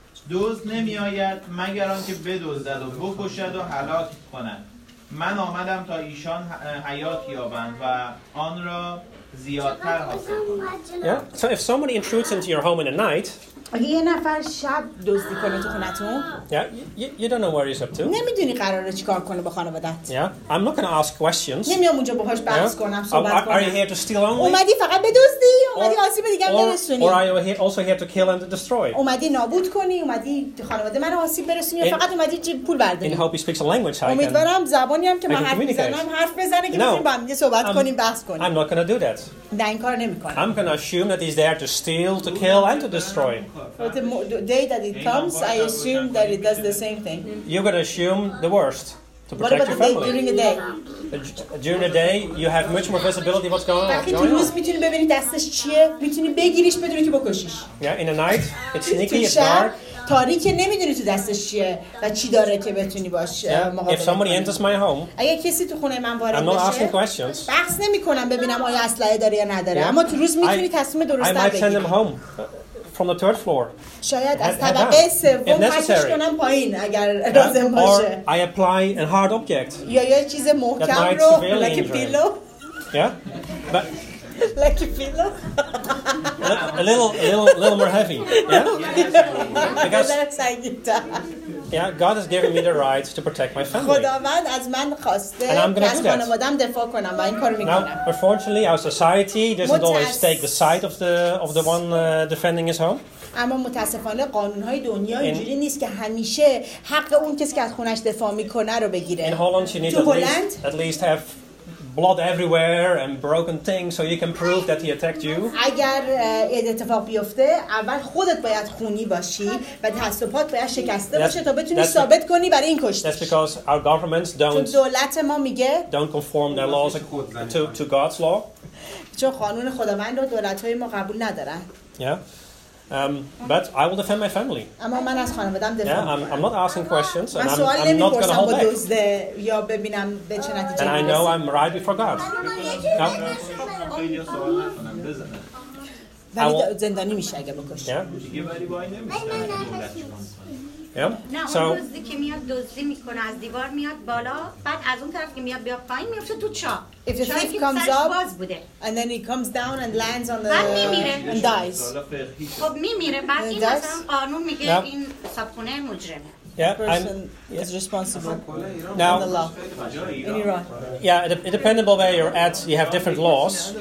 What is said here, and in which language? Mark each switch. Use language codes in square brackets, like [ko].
[fa] دزد نمی آید مگر آن که بدزدد و بکشد و هلاک کند. من آمدم تا ایشان حیات یابند و آن را زیادتر حاصل کنند. [en] Yeah. So if somebody intrudes into your home in the night. [fa] اگه یه نفر شب دزدی کنه تو خونتون. [en] Yeah. You don't know where he's up to. [fa] نمیدونی قراره چیکار کنه با خانواده‌ت. [en] Yeah. I'm not going to ask questions. [fa] نمیام اونجا باهاش بحث [en] yeah. [fa] کنم صحبت کنم. [en] Are you here to steal only? [fa] اومدی فقط بدزدی، اومدی آسیب دیگه برسونی. [en] Or are you here also here to kill and destroy? [fa] اومدی نابود کنی، اومدی خانواده منو آسیب برسونی، فقط اومدی چی پول برداری. [en] In hope he speaks a language. [fa] امیدوارم زبانی هم که من حرف بزنم حرف بزنه که بتونیم با هم صحبت کنیم بحث کنیم. [en] I'm not going to do that. [fa] نه این کارو نمی‌کنم. [en] I'm going to assume that he's there to steal, to kill and to destroy. But the day that it comes, I assume that it does the same thing. You're going to assume the worst. to protect what about your family. The day, during the day? During the day, you have much more visibility what's going on. [fa] وقتی روز میتونی ببینی دستش چیه، میتونی بگیریش بدون که بکشیش. [en] Yeah, in the night, it's sneaky, it's dark. [fa] تاریکه نمیدونی تو دستش چیه و چی داره که بتونی باش مهاجم. [en] If somebody enters my home, [fa] اگه کسی تو خونه من وارد بشه. [en] I'm not asking questions. [fa] بحث نمیکنم ببینم آیا اسلحه داره یا نداره. اما تو روز میتونی تصمیم درست بگیری. [en] I might send them home from the third floor. [fa] شاید از طبقه سوم پاشش کنم پایین اگر لازم باشه. [en] Or I apply a hard object. [fa] یا یه چیز محکم رو [en] like a pillow. Yeah. But like a pillow. a little more heavy. Yeah. Because that's how you die. Yeah, God has given me the right to protect my family. [fa] خداوند از من خواسته که من خانواده‌ام دفاع کنم و این کارو میکنم. [en] Now, unfortunately, our society doesn't always take the side of the one defending his home. [fa] اما متاسفانه قانون‌های دنیا اینجوری نیست که همیشه حق اون کسی که از خونش دفاع میکنه رو بگیره. [en] In Holland, you need at least have blood everywhere and broken things so you can prove that he attacked you. [fa] اگر اتفاق بیفته اول خودت باید خونی باشی و دست و پات باید شکسته باشه تا بتونی ثابت کنی برای این کشتش. [en] That's because our governments don't. [fa] چون دولت ما میگه [en] don't conform their laws to God's law. [fa] چون قانون خداوند رو دولت‌های ما قبول ندارن. [en] Yeah. But I will defend my family. [fa] اما من از خانواده‌ام دفاع می‌کنم. [en] I'm not asking questions and I'm not going to hold back. [fa] یا ببینم به چه نتیجه می‌رسم. [en] And I know I'm right before God. [fa] زندانی میشه اگه بکشی. [en] Yeah. [fa] نه [en] so, [fa] اون دزدی که میاد دزدی میکنه از دیوار میاد بالا بعد از اون طرف که میاد بیا پایین میفته تو چا [en] if the thief comes up and then he comes down and lands on the and dies [fa] خب میمیره بعد این مثلا قانون میگه این سابخونه مجرمه. [en] Yeah, person is responsible now, in the law. In Iran. Yeah, it depends on where you're at, you have different laws.